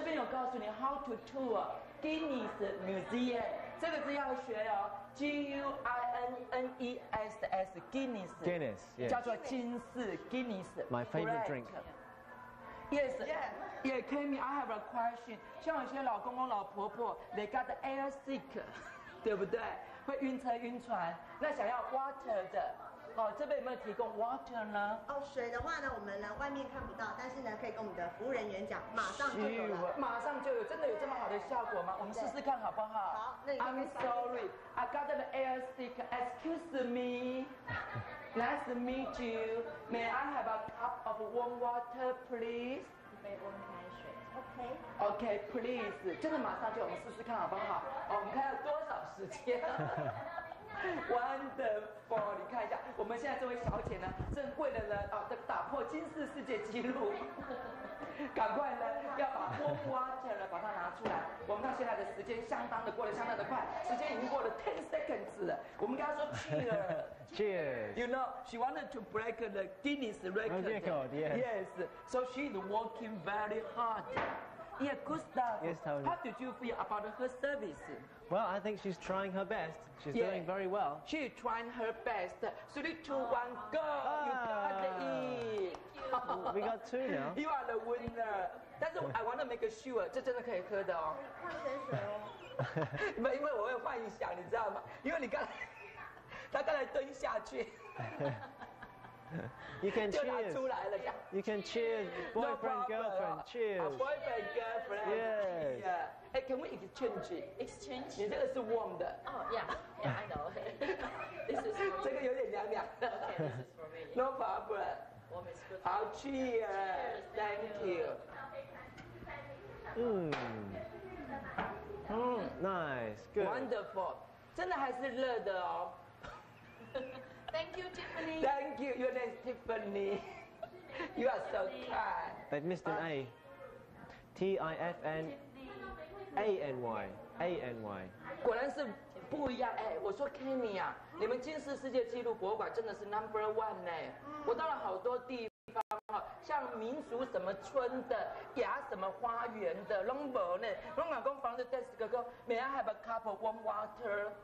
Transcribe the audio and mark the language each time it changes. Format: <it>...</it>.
<zh>Good. 这边有告诉你</zh> <en>how to tour Guinness Museum.</en> <zh>这个字要学哦 Guinness.</zh> <en>Guinness.、Yes.</en> <zh>叫做金丝 Guinness.</zh> <en>My favorite、right. drink. Yes. Yeah, Kimmy, I have a question.</en> <zh>像有些老公公老婆婆</zh> <en>they got the air sick,</en> <zh>对不对？会晕车晕船。那想要 water 的。哦，这边有没有提供 water 呢？哦，水的话呢，我们呢外面看不到，但是呢可以跟我们的服务人员讲，马上就有了，马上就有，真的有这么好的效果吗？我们试试看好不好？好，那</zh> <en>I'm sorry, I got an air sick. Excuse me, nice to meet you. May I have a cup of warm water, please?</en> <zh>一杯温开水。</zh> <en>OK, okay, please.</en> <zh>真的马上就，我们试试看好不好？哦，我们看要多少时间。 Wonderful, 你看一下，我们现在这位小姐呢，正为了呢，打破金氏世界纪录，赶快呢，要把锅挖起来了，把它拿出来。我们看现在的时间相当的过得相当的快，时间已经过了 10 seconds 了。我们跟她说 cheers,</zh> <en>cheers. You know, she wanted to break the Guinness record. Record, yes. Yes, so she's working very hard. Yeah, good stuff. Yes, Tony. How did you feel about her service? Well, I think she's trying her best. She's doing very well. She's trying her best. 3, 2, 1, go! You got it! We got two now. You are the winner.</en> <zh>但是</zh> <en>I want to make sure,</en> <zh>这真的可以喝的哦。矿泉水哦。因为我会幻想，你知道吗？因为你刚才，他刚才蹲下去。</zh> <en>You can cheers.</en> <zh>就拿出来了，这样。</zh> <en>You can cheers, boyfriend, girlfriend, cheers. Boyfriend, girlfriend, yes. Hey, can we exchange? Exchange.</en> <zh>你这个是 warm 的。</zh> <en>Oh, yeah, yeah, I know. This is.</en> <zh>这个有点凉凉的。</zh> <en>Okay, this is for me. No problem. Warm is good. 好 cheers. Thank you.</en> <zh>嗯。</zh> <en>Nice. Good.</en> <zh>Wonderful. 真的还是热的哦。</zh> <en>Thank you, Tiffany. Thank you. Your name is Tiffany. You are so kind. But Mr. A. T-I-F-N-A-N-Y. A-N-Y.</en> <zh>果然是不一样。哎，我说 Kenny 啊，你们金氏世界纪录博物馆真的是 number one 呢。我到了好多地方啊，像民俗什么村的，雅什么花园的 ，number 呢。我老公房子 desk 哥哥 ，</zh> <en>May I have a cup of warm water？</en>